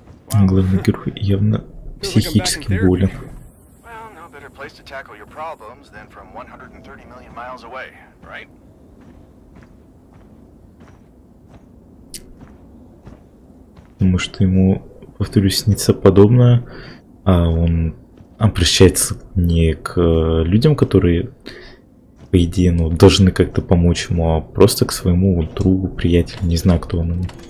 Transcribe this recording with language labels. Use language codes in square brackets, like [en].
[ru] Главный герой явно психически болен. [en] Well, no better place to tackle your problems than from 130 million miles away, right? [ru] Потому что ему, повторюсь, снится подобное, а он обращается не к людям, которые, по идее, ну, должны как-то помочь ему, а просто к своему другу, приятелю, не знаю, кто он ему.